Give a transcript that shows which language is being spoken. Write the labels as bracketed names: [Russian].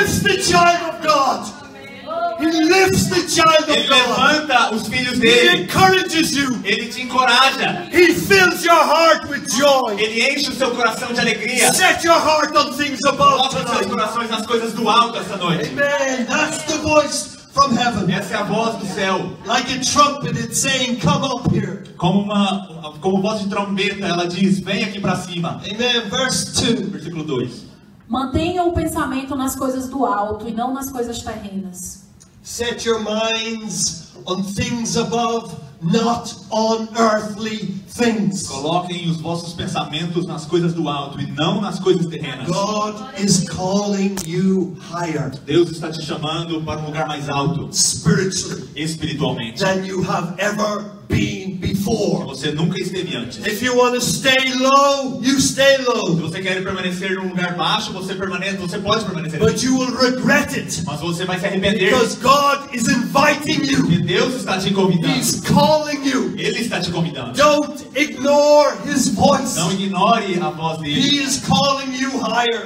[English] Lifts the child of God. He lifts the child of [Portuguese] Ele levanta [English] God. [Portuguese] Os filhos dele. [English] He encourages you. [Portuguese] Ele te encoraja. [English] He fills your heart with joy. [Portuguese] Ele enche o seu coração de alegria. [English] Set your heart on things above. [Portuguese] Coloque os seus corações nas coisas do alto essa noite. [English] Amen. That's the voice from heaven. [Portuguese] Essa é a voz do céu. [English] Like a trumpet, it's saying, "Come up here." [Portuguese] Como voz de trombeta, ela diz, "Vem aqui para cima." [English] Amen. Verse 2. [Portuguese] Versículo 2. Mantenha o pensamento nas coisas do alto e não nas coisas terrenas. [English] Set your minds on things above, not on earthly things. [Portuguese] Coloquem os vossos pensamentos nas coisas do alto e não nas coisas terrenas. [English] God is calling you higher. [Portuguese] Deus está te chamando para um lugar mais alto. [English] Spiritually. [Portuguese] Espiritualmente. [English] Than you have ever been before. [Portuguese] Você nunca esteve antes. [English] If you want to stay low, you stay low. [Portuguese] Se você quer permanecer num lugar baixo, você pode permanecer. [English] But you will regret it. [Portuguese] Mas você vai se arrepender. [English] Because God is inviting you. [Portuguese] Porque Deus está te convidando. [English] He's calling you. [Portuguese] Ele está te convidando. [English] Don't ignore His voice. [Portuguese] Não ignore a voz dele. [English] He is calling you higher.